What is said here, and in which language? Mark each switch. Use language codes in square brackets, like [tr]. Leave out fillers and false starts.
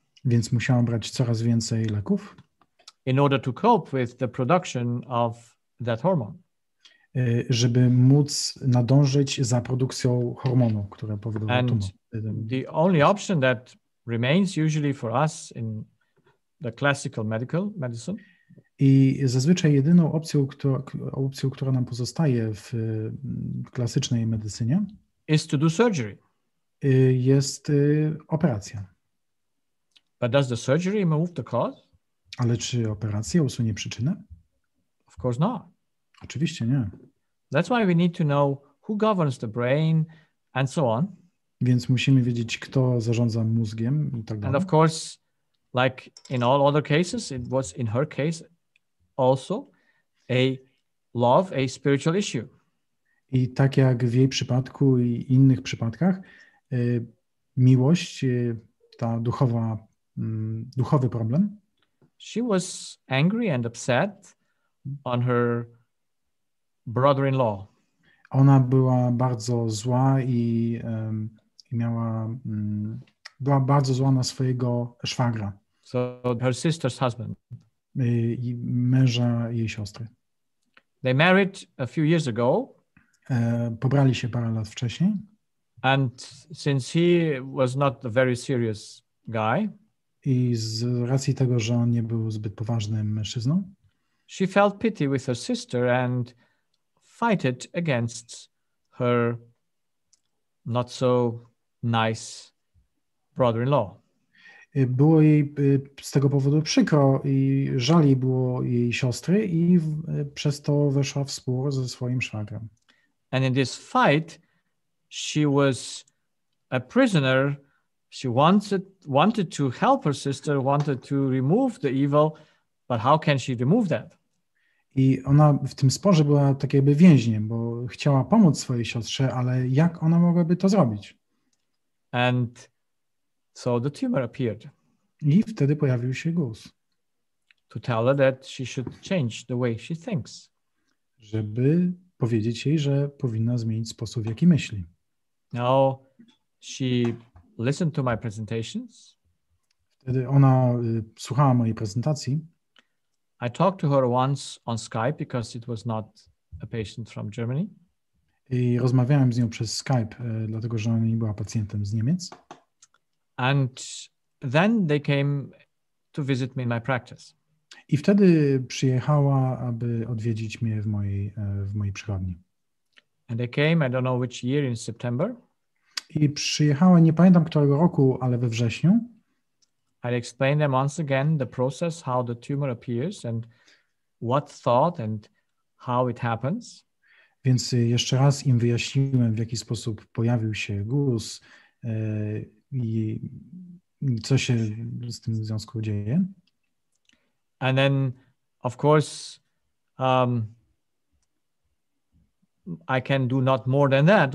[pl] Więc musiała brać coraz więcej leków. [en] In order to cope with the production of that hormone. [pl] Żeby móc nadążyć za produkcją hormonu, które powodowało [en] and tumor. The only option that remains usually for us in the classical medical medicine. [pl] I zazwyczaj jedyną opcją, która nam pozostaje w klasycznej medycynie [en] is to do surgery. [pl] Jest operacja. [en] But does the surgery remove the cause? [pl] Ale czy operacja usunie przyczynę? [en] Of course not. [pl] Oczywiście nie. [en] That's why we need to know who governs the brain and so on. [pl] Więc musimy wiedzieć, kto zarządza mózgiem i tak dalej. [en] And of course, like in all other cases, it was in her case also a love, a spiritual issue. [pl] I tak jak w jej przypadku i innych przypadkach, miłość, ta duchowa, duchowy problem. [en] She was angry and upset on her brother-in-law. [pl] Ona była bardzo zła i miała była bardzo zła na swojego szwagra. [en] So her sister's husband. [pl] I męża jej siostry. [en] They married a few years ago. [pl] Pobrali się parę lat wcześniej. [en] And since he was not a very serious guy. [pl] I z racji tego, że on nie był zbyt poważnym mężczyzną. [en] She felt pity with her sister and fight it against her not so nice brother-in-law. [pl] Było jej z tego powodu przykro i żal jej było jej siostry i przez to weszła w spór ze swoim szwagrem. [en] And in this fight she was a prisoner. She wanted to help her sister, wanted to remove the evil, but how can she remove that? [pl] I ona w tym sporze była tak jakby więźniem, bo chciała pomóc swojej siostrze, ale jak ona mogłaby to zrobić? [en] And so the tumor appeared. [pl] I wtedy pojawił się guz. [en] To tell her that she should change the way she thinks. [pl] Żeby powiedzieć jej, że powinna zmienić sposób, w jaki myśli. [en] Now she listened to my presentations. [pl] Wtedy ona słuchała mojej prezentacji. [en] I talked to her once on Skype because it was not a patient from Germany. [pl] I rozmawiałem z nią przez Skype, dlatego że ona nie była pacjentem z Niemiec. [en] And then they came to visit me in my practice. [pl] I wtedy przyjechała, aby odwiedzić mnie w mojej przychodni. [en] And they came, I don't know which year, in September. [pl] I przyjechała, nie pamiętam którego roku, ale we wrześniu. [en] I explained them once again the process, how the tumor appears and what thought and how it happens. [pl] Więc jeszcze raz im wyjaśniłem, w jaki sposób pojawił się guz i co się z tym w związku dzieje. [en] And then, of course, I can do not more than that.